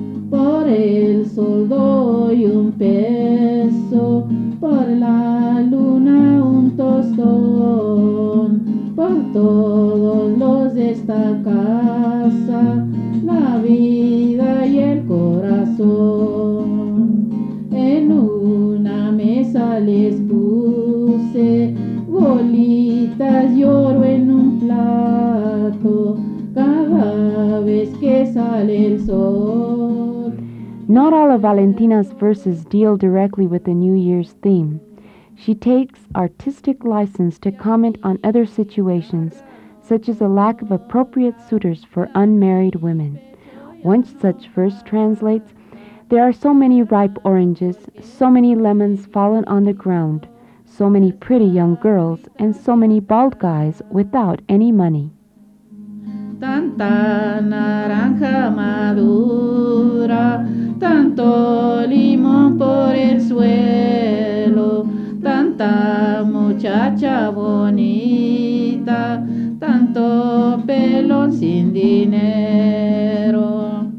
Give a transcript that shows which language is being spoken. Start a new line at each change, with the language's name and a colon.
Spanish: Por el sol doy un peso, por la luna un tostón, por todos los de esta casa, la vida y el corazón. En una mesa les puse bolitas y oro en un plato, cada vez que sale el sol.
English: Not all of Valentina's verses deal directly with the New Year's theme. She takes artistic license to comment on other situations, such as a lack of appropriate suitors for unmarried women. One such verse translates, "There are so many ripe oranges, so many lemons fallen on the ground, so many pretty young girls, and so many bald guys without any money."
Spanish: Tanta naranja madura, tanto limón por el suelo, tanta muchacha bonita, tanto pelón sin dinero.